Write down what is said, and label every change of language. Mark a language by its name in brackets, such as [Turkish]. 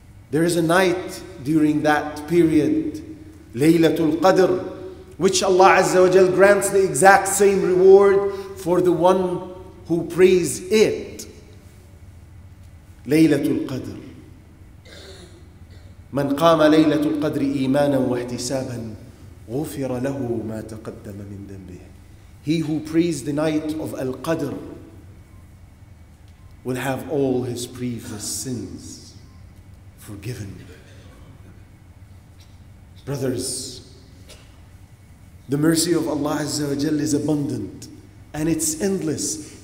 [English] There is a night during that period, Laylatul Qadr, which Allah Azza wa Jal grants the exact same reward for the one who prays it. Laylatul Qadr. [Arabic] من قام ليلة القدر إيمانا واحتسابا غفر له ما تقدم من ذنبه. [English] He who prays the night of Al-Qadr will have all his previous sins forgiven. Brothers, the mercy of Allah Azza wa Jalla is abundant and it's endless.